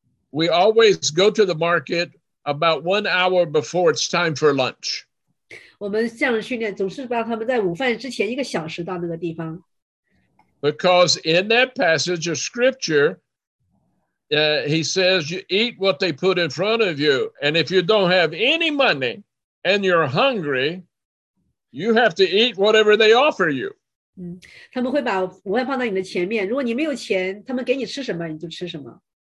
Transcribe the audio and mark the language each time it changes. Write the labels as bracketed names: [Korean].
[English] We always go to the market about 1 hour before it's time for lunch. [Chinese] 我们这样训练，总是把他们在午饭之前1个小时到那个地方。 [English] Because in that passage of scripture, he says, you eat what they put in front of you. And if you don't have any money and you're hungry, you have to eat whatever they offer you. [Chinese] 他们会把午饭放到你的前面，如果你没有钱，他们给你吃什么，你就吃什么。